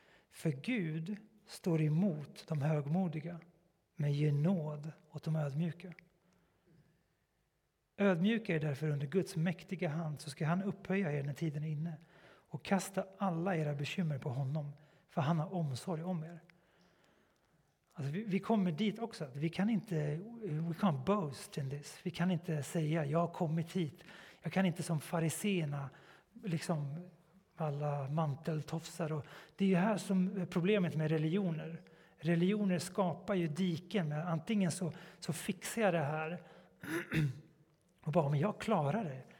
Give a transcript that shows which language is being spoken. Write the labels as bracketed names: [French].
[Swedish] För Gud står emot de högmodiga, men ger nåd åt de ödmjuka. Ödmjuka er därför under Guds mäktiga hand, så ska han upphöja er när tiden är inne. Och kasta alla era bekymmer på honom, för han har omsorg om er. Alltså vi kommer dit också. Vi kan inte, [English] we can't boast in this. [Swedish] Vi kan inte säga, jag har kommit hit. Jag kan inte som fariserna, liksom alla manteltofsar. Och det är ju här som problemet med religioner. Religioner skapar ju diken. Med, antingen så fixar jag det här och bara, men jag klarar det.